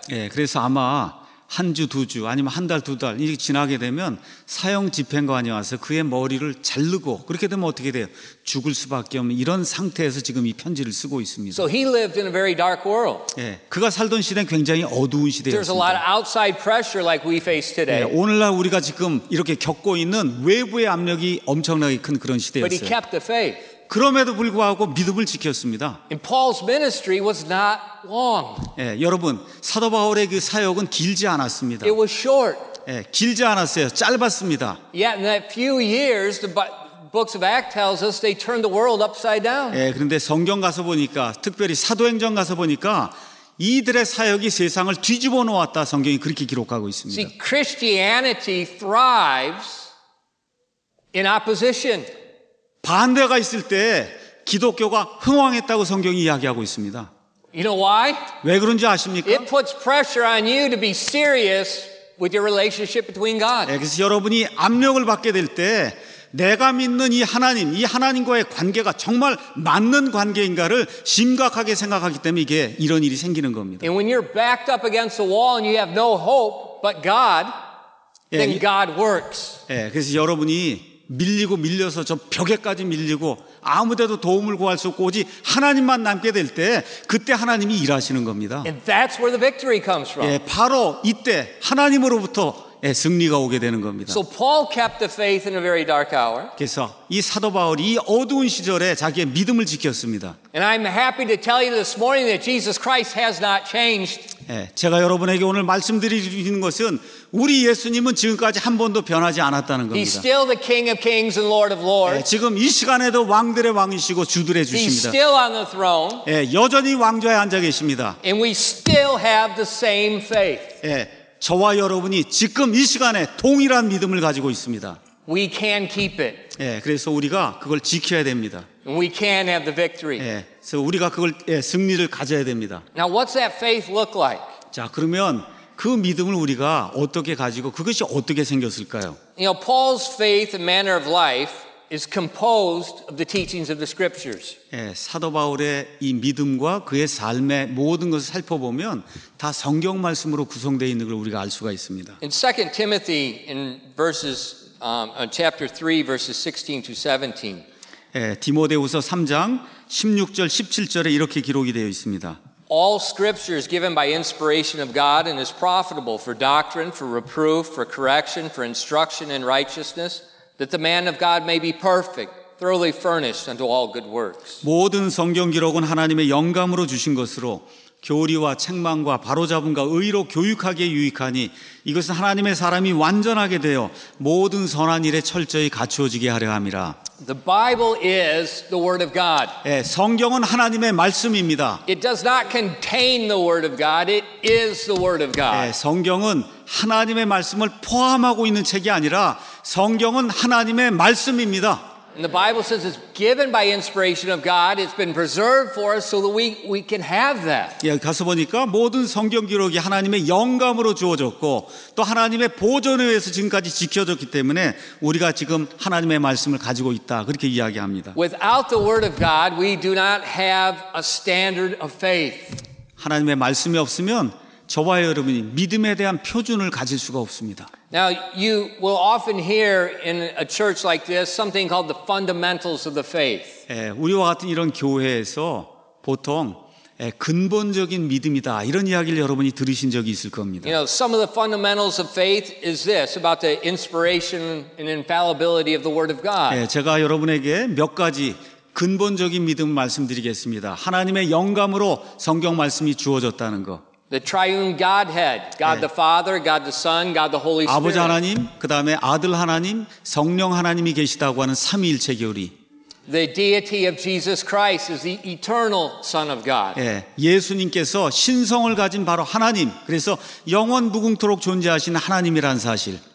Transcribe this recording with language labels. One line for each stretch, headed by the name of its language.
Korean: 예, 그래서 아마 한 주, 두 주, 아니면 한 달, 두 달 이렇게 지나게 되면 사형 집행관이 와서 그의 머리를 자르고 그렇게 되면 어떻게 돼요? 죽을 수밖에 없는 이런 상태에서 지금 이 편지를 쓰고 있습니다.
English: So he lived in a very dark world.
Korean: 예, 그가 살던 시대는 굉장히 어두운 시대였습니다.
English: There's a lot of outside pressure like we face today.
Korean: 예, 오늘날 우리가 지금 이렇게 겪고 있는 외부의 압력이 엄청나게 큰 그런 시대였어요.
English: But he kept the faith.
Korean: 그럼에도 불구하고 믿음을 지켰습니다.
English: And Paul's ministry was not long.
Korean: 예, 여러분 사도 바울의 그 사역은 길지 않았습니다.
English: It was short.
Korean: 예, 길지 않았어요. 짧았습니다.
English: Yet in that few years, the books of Acts tells us they turned the world upside down.
Korean: 예, 그런데 성경 가서 보니까 특별히 사도행전 가서 보니까 이들의 사역이 세상을 뒤집어 놓았다. 성경이 그렇게 기록하고 있습니다.
English: See, Christianity thrives in opposition.
Korean: 반대가 있을 때 기독교가 흥왕했다고 성경이 이야기하고 있습니다.
English: You know why?
Korean: 왜 그런지 아십니까?
English: It puts pressure on you to be serious with your relationship between God.
Korean: 예, 그래서 여러분이 압력을 받게 될 때 내가 믿는 이 하나님과의 관계가 정말 맞는 관계인가를 심각하게 생각하기 때문에 이게 이런 일이 생기는 겁니다.
English: And when you're backed up against the wall and you have no hope but God, then God works.
Korean: 예, 그래서 여러분이 밀리고 밀려서 저 벽에까지 밀리고 아무데도 도움을 구할 수 없고 오직 하나님만 남게 될 때 그때 하나님이 일하시는 겁니다.
English: And that's where the victory comes from.
Korean: 예, 바로 이때 하나님으로부터 승리가 오게 되는 겁니다.
English: So Paul kept the faith in a very dark hour.
Korean: 그래서 이 사도 바울이 이 어두운 시절에 자기의 믿음을 지켰습니다.
English: And I'm happy to tell you this morning that Jesus Christ has not changed.
Korean: 예, 제가 여러분에게 오늘 말씀드리는 것은 우리 예수님은 지금까지 한 번도 변하지 않았다는 겁니다.
English: He's still the King of Kings and Lord of Lords.
Korean: 예, 지금 이 시간에도 왕들의 왕이시고 주들의 주십니다.
English: He's still on the throne.
Korean: 예, 여전히 왕좌에 앉아 계십니다.
English: And we still have the same faith.
Korean: 예. 저와 여러분이 지금 이 시간에 동일한 믿음을 가지고 있습니다.
English: We can keep it.
Korean: 예, 그래서 우리가 그걸 지켜야 됩니다.
English: We can have the victory.
Korean: 예, 그래서 우리가 그걸 예, 승리를 가져야 됩니다.
English: Now what's that faith look like?
Korean: 자, 그러면 그 믿음을 우리가 어떻게 가지고 그것이 어떻게 생겼을까요?
English: You know, Paul's faith and manner of life is composed of the teachings of the scriptures.
Korean: 예, 사도 바울의 이 믿음과 그의 삶의 모든 것을 살펴보면 다 성경 말씀으로 구성되어 있는 걸 우리가 알 수가 있습니다.
English: In 2 Timothy in verses chapter 3 verses 16 to 17.
Korean: 예, 디모데후서 3장 16절 17절에 이렇게 기록이 되어 있습니다.
English: All scripture is given by inspiration of God and is profitable for doctrine, for reproof, for correction, for instruction in righteousness. That the man of God may be perfect, thoroughly furnished unto all good works.
Korean: 모든 성경 기록은 하나님의 영감으로 주신 것으로 교리와 책망과 바로잡음과 의로 교육하기에 유익하니 이것은 하나님의 사람이 완전하게 되어 모든 선한 일에 철저히 갖추어지게 하려 함이라.
English: The Bible is the word of God.
Korean: 예, 성경은 하나님의 말씀입니다.
English: It does not contain the word of God. It is the word of God.
Korean: 예, 성경은 하나님의 말씀을 포함하고 있는 책이 아니라 성경은 하나님의 말씀입니다.
English: And the Bible says it's given by inspiration of God. It's been preserved for us so that we can have that.
Korean: 예, 가서 보니까 모든 성경 기록이 하나님의 영감으로 주어졌고 또 하나님의 보존에 의해서 지금까지 지켜졌기 때문에 우리가 지금 하나님의 말씀을 가지고 있다. 그렇게 이야기합니다.
English: Without the word of God, we do not have a standard of faith.
Korean: 하나님의 말씀이 없으면 저와 여러분이 믿음에 대한 표준을 가질 수가 없습니다.
English: Now you will often hear in a church like this something called the fundamentals of the faith.
Korean: 예, 우리와 같은 이런 교회에서 보통 예, 근본적인 믿음이다 이런 이야기를 여러분이 들으신 적이 있을 겁니다.
English: You know, some of the fundamentals of faith is this about the inspiration and infallibility of the Word of God.
Korean: 예, 제가 여러분에게 몇 가지 근본적인 믿음을 말씀드리겠습니다. 하나님의 영감으로 성경 말씀이 주어졌다는 것.
English: The triune Godhead, God
Korean: 예.
English: the Father, God the Son, God the Holy Spirit.
Korean: 아버지 하나님, 그 다음에 아들 하나님, 성령 하나님이 계시다고 하는 삼위일체 교리.
English: The deity of Jesus Christ is the eternal Son of God.
Korean: 예. 예수님께서 신성을 가진 바로 하나님, 그래서 영원 무궁토록 존재하신 하나님이란 사실.